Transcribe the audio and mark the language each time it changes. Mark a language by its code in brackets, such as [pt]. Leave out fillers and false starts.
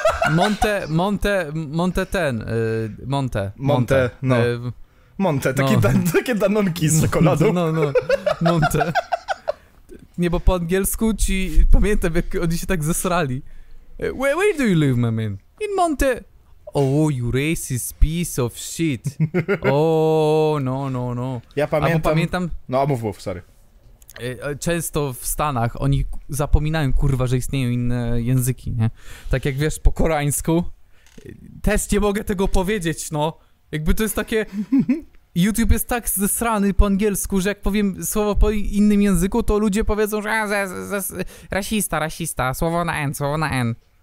[pl] Monte, Monte, Monte ten, Monte. Monte, no. Monte, takie, no. takie danonki z czekoladą. No. Monte. Nie, bo po angielsku ci pamiętam, jak oni się tak zesrali. [en] Where do you live, my man? In Monte. Oh, you racist piece of shit. [pl] No. Ja pamiętam. Albo pamiętam. No, a mów, sorry. Często w Stanach oni zapominają, kurwa, że istnieją inne języki, nie? Tak jak wiesz, po koreańsku. Też nie mogę tego powiedzieć, no. Jakby to jest takie... YouTube jest tak zesrany po angielsku, że jak powiem słowo po innym języku, to ludzie powiedzą, że rasista, słowo na N.